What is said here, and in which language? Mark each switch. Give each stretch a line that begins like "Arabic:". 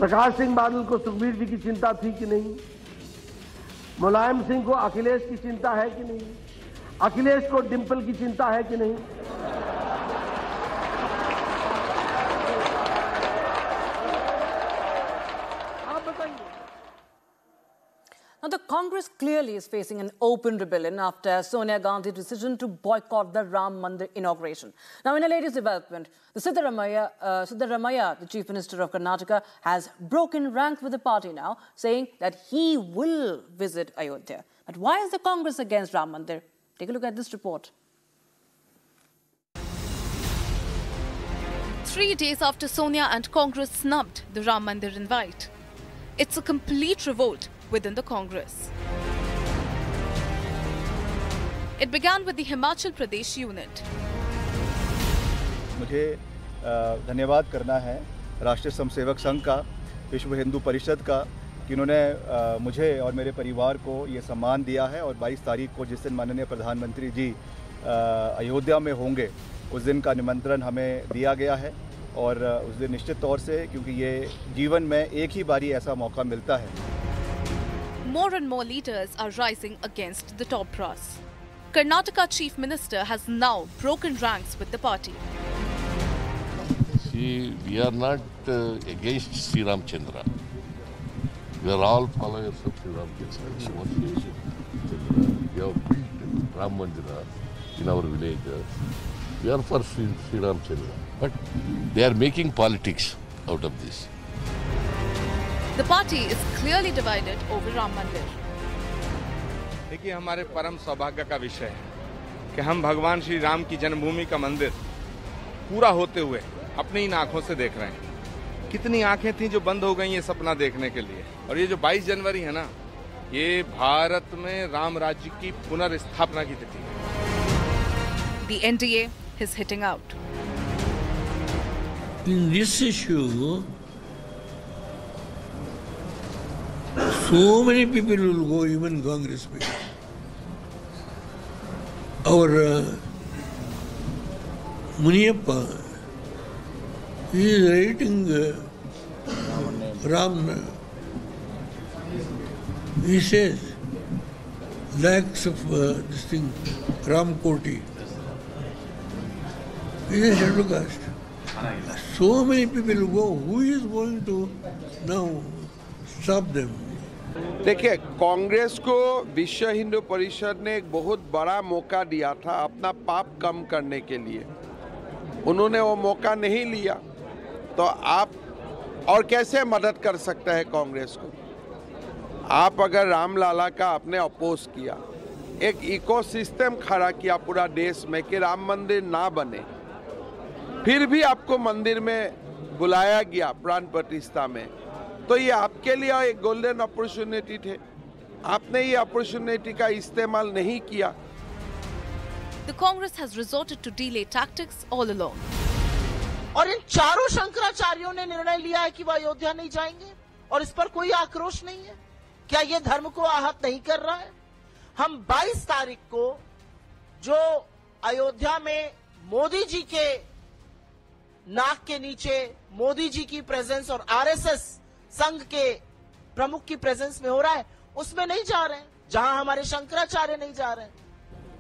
Hindi: प्रकाश सिंह बादल को सुखबीर जी की चिंता थी कि नहीं, मुलायम सिंह को अखिलेश की चिंता है कि नहीं, अखिलेश को डिंपल की चिंता है कि नहीं, आप बताइए।
English: Now the Congress clearly is facing an open rebellion after Sonia Gandhi's decision to boycott the Ram Mandir inauguration. Now in a latest development, the Siddaramaiah, the Chief Minister of Karnataka, has broken ranks with the party now, saying that he will visit Ayodhya. But why is the Congress against Ram Mandir? Take a look at this report. 3 days after Sonia and Congress snubbed the Ram Mandir invite, it's a complete revolt within the Congress. It began with the Himachal Pradesh unit.
Hindi: मुझे धन्यवाद करना है राष्ट्रीय स्वयंसेवक संघ का, विश्व हिंदू परिषद का, कि उन्होंने मुझे और मेरे परिवार को ये सम्मान दिया है और 22 तारीख को जिस दिन माननीय प्रधानमंत्री जी अयोध्या में होंगे उस दिन का निमंत्रण हमें दिया गया है और उस दिन निश्चित तौर से, क्योंकि ये जीवन में एक ही बारी ऐसा मौका मिलता है।
English: More and more leaders are rising against the top brass. Karnataka chief minister has now broken ranks with the party. See, we are not against Sri Ramchandra. We are all followers of Sri Ramchandra. We have built Ram Mandira in our village. We are for Sri Ramchandra. But they are making politics out of this. The party is clearly divided over Ram Mandir.
Hindi: देखिए, हमारे परम सौभाग्य का विषय है कि हम भगवान श्री राम की जन्मभूमि का मंदिर पूरा होते हुए अपनी इन आंखों से देख रहे हैं। कितनी आंखें थीं जो बंद हो गई ये सपना देखने के लिए, और ये जो 22 जनवरी है ना, ये भारत में राम राज्य की पुनर्स्थापना की तिथि है।
English: The NDA is hitting out. In this issue, so many people will go, even Congress people. Our Muniyappa, he is writing Ram. He says lakhs of this thing, Ram Koti. He is a shadow caste. So many people will go. Who is going to now stop them?
Hindi: देखिए, कांग्रेस को विश्व हिंदू परिषद ने एक बहुत बड़ा मौका दिया था अपना पाप कम करने के लिए, उन्होंने वो मौका नहीं लिया, तो आप और कैसे मदद कर सकते हैं कांग्रेस को? आप अगर रामलाला का आपने अपोज किया, एक इकोसिस्टम खड़ा किया पूरा देश में कि राम मंदिर ना बने, फिर भी आपको मंदिर में बुलाया गया प्राण प्रतिष्ठा में, तो ये आपके लिए एक गोल्डन अपॉर्चुनिटी थे, आपने ये अपॉर्चुनिटी का इस्तेमाल नहीं किया।
English: The Congress has resorted to delay tactics all along.
Hindi: और इन चारों शंकराचार्यों ने निर्णय लिया है कि वह अयोध्या नहीं जाएंगे और इस पर कोई आक्रोश नहीं है, क्या ये धर्म को आहत नहीं कर रहा है? हम 22 तारीख को जो अयोध्या में मोदी जी के नाक के नीचे मोदी जी की प्रेजेंस और RSS संघ के प्रमुख की प्रेजेंस में हो रहा है, उसमें नहीं जा रहे हैं, जहां हमारे शंकराचार्य नहीं जा रहे हैं।